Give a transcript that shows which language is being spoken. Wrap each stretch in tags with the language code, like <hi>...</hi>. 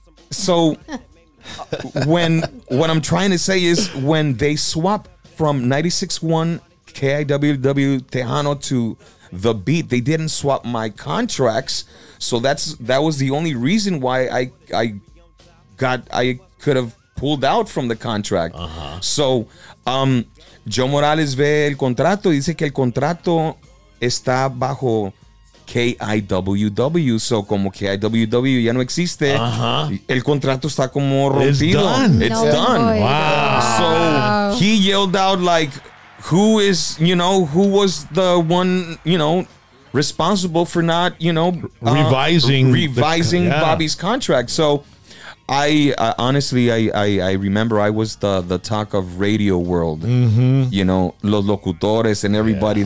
<en>So what I'm trying to say is when they swap from 96.1 KIWW Tejano to The Beat, they didn't swap my contracts, so that was the only reason why I could have pulled out from the contract.</en> <es>So Joe Morales ve el contrato y dice que el contrato está bajo KIWW, so como KIWW ya no existe, el contrato está como rompido.</es> <en>It's done. No, wow. So he yelled out like, who is, you know, who was the one, you know, responsible for not, you know, revising the, Bobby's contract. So I honestly, I remember I was the talk of radio world, you know,</en> <es>los locutores</es> <en>and everybody.</en>